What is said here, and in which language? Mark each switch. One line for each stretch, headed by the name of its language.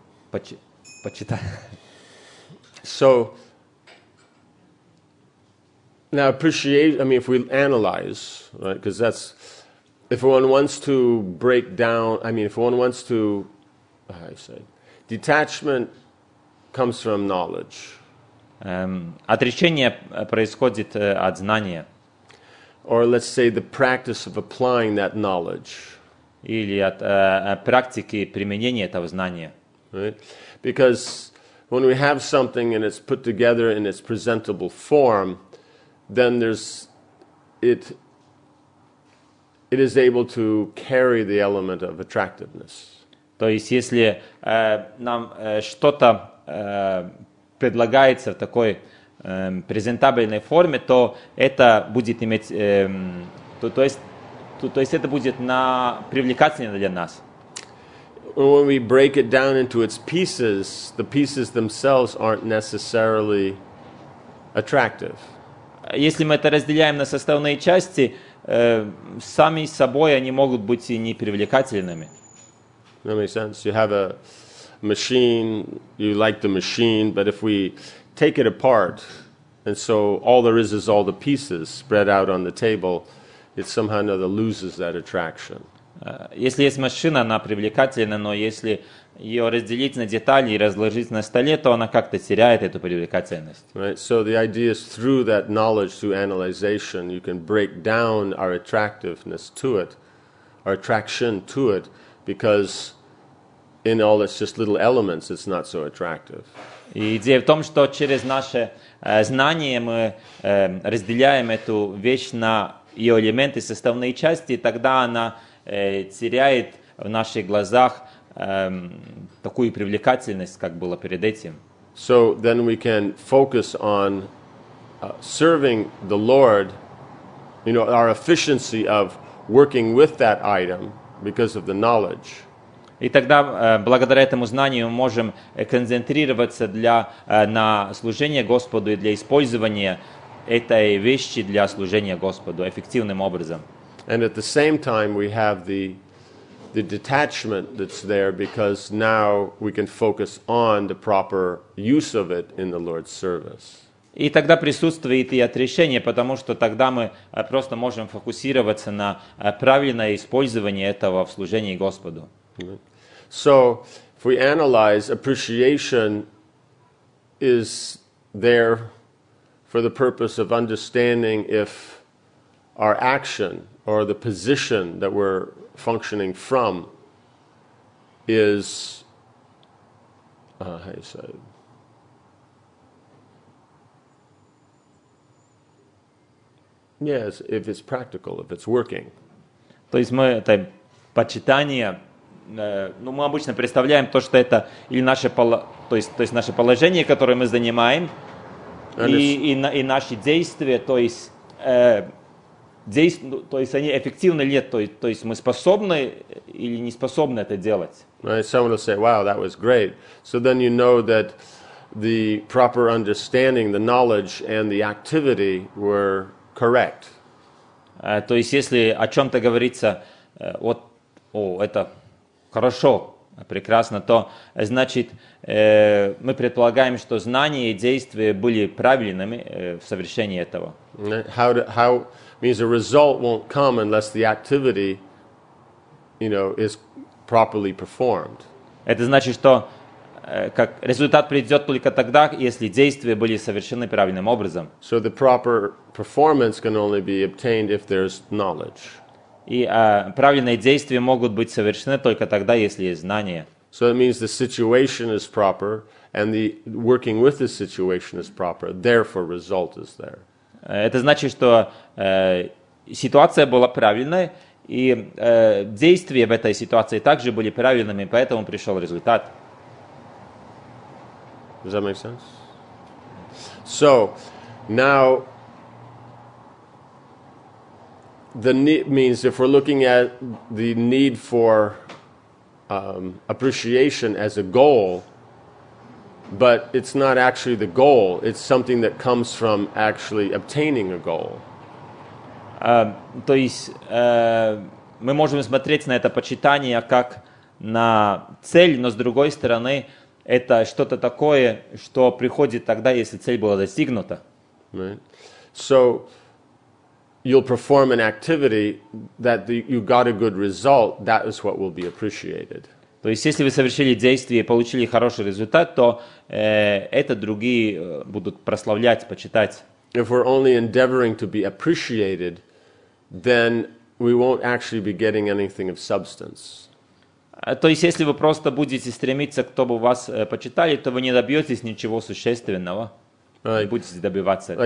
Russian: Почитай.
English: So, now appreciation, I mean, if we analyze, right, because that's, if one wants to break down, I mean, if one wants to, how do I say, detachment comes from knowledge.
Russian: Отречение происходит от знания.
English: Or let's say the practice of applying that knowledge.
Russian: Или от практики применения этого знания.
English: Right? Because when we have something and it's put together in its presentable form, then there's it. It is able to carry the element of attractiveness.
Russian: То есть, если нам что-то предлагается в такой презентабельной форме, то это будет иметь, то есть это будет на привлекательнее для нас.
English: When we break it down into its pieces, the pieces themselves aren't necessarily attractive.
Russian: Если мы это разделяем на составные части, сами собой они могут быть и не привлекательными.
English: That makes sense. You have a machine, you like the machine, but if we take it apart, and so all there is all the pieces spread out on the table, it somehow or another loses that attraction.
Russian: Если есть машина, она привлекательна, но если ее разделить на детали и разложить на столе, то она как-то теряет эту привлекательность.
English: Right. So the idea is through that knowledge, through analyzation, you can break down our attractiveness to it, our attraction to it, because in all its just little elements, it's not so attractive.
Russian: И идея в том, что через наше знание мы разделяем эту вещь на ее элементы, составные части, и тогда она теряет в наших глазах такую привлекательность, как было перед этим.
English: So then we can focus on serving the Lord, you know, our efficiency of working with that item because of the knowledge.
Russian: И тогда, благодаря этому знанию, мы можем концентрироваться для, на служение Господу и для использования этой вещи для служения Господу эффективным образом.
English: And at the same time, we have the detachment that's there because now we can focus on the proper use of it in the Lord's service.
Russian: И тогда присутствует и отрешение, потому что тогда мы просто можем фокусироваться на правильное использование этого в служении Господу.
English: So, if we analyze, appreciation is there for the purpose of understanding if our action or the position that we're functioning from is, how you say it? Yes, if it's practical, if it's working.
Russian: То есть мы это почитание, ну мы обычно представляем то, что это или наше то есть наше положение, которое мы занимаем, и наши действия, то есть они эффективны ли, то есть мы способны или не способны это делать.
English: Right, someone will say, "Wow, that was great." So then you know that the proper understanding, the knowledge, and the activity were correct.
Russian: То есть, если о чем-то говорится, вот, о, это хорошо, прекрасно, то значит, мы предполагаем, что знания и действия были правильными в совершении этого.
English: How means the result won't come unless the activity, you know, is properly performed.
Russian: Это значит, что как результат придет только тогда, если действия были совершены правильным образом.
English: So the proper performance can only be obtained if there's knowledge.
Russian: И правильные действия могут быть совершены только тогда, если есть знание.
English: So it means the situation is proper, and the working with the situation is proper, therefore result is there.
Russian: Это значит, что ситуация была правильной, и действия в этой ситуации также были правильными, поэтому пришел результат.
English: Does that make sense? So, now, the need means if we're looking at the need for appreciation as a goal, but it's not actually the goal, it's something that comes from actually obtaining a goal.
Russian: То есть мы можем смотреть на это почитание как на цель, но с другой стороны, это что-то такое, что приходит тогда, если цель была достигнута.
English: Right. So you'll perform an activity that you got a good result, that is what will be appreciated.
Russian: То есть, если вы совершили действие и получили хороший результат, то это другие будут прославлять, почитать.
English: If we're only endeavoring to be appreciated, then we won't actually be getting anything of substance.
Russian: То есть, если вы просто будете стремиться, чтобы вас почитали, то вы не добьетесь ничего существенного. Like, не будете добиваться этого.